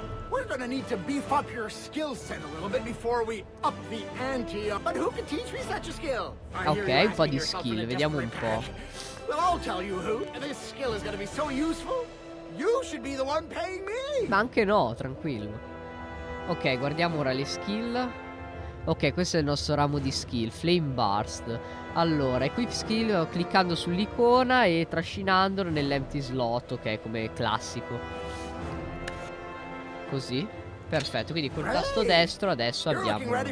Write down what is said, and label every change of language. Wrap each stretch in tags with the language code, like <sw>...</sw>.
<en>We're gonna need to beef up your skill set a little bit before we up the ante. But who can teach me such a skill?</en> <it>Ok, un po' di skill, vediamo un po'.</it> <en>Well, I'll tell you who. This skill is gonna be so useful. You should be the one paying me.</en> <it>Ma anche no, tranquillo. Ok, guardiamo ora le skill. Ok, questo è il nostro ramo di skill, Flame Burst. Allora, equip skill cliccando sull'icona e trascinandolo nell'empty slot, ok, come classico. Così. Perfetto, quindi col tasto destro adesso abbiamo...</it>